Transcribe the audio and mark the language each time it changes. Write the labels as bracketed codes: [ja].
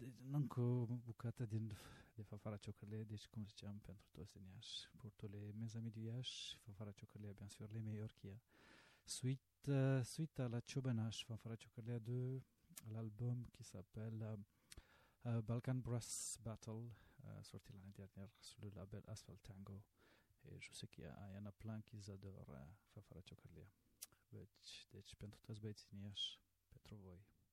[ro] Încă o bucată de Fanfara Ciocărlie, deci cum ziceam, pentru toți din Iași, portule mezami de Iași, Fanfara Ciocărlie, [fr] bien sûr, le meilleur qu'il y a. Suita la Ciobanaș, Fanfara Ciocărlie 2, l'album qui s'appelle Balkan Brass Battle, sorti l'année dernière sur le label Asphalt Tango, et je sais qu'il y en a plein qui adorent Fanfara Ciocărlie. [ro] Deci pentru toți băieți din Iași, pentru voi.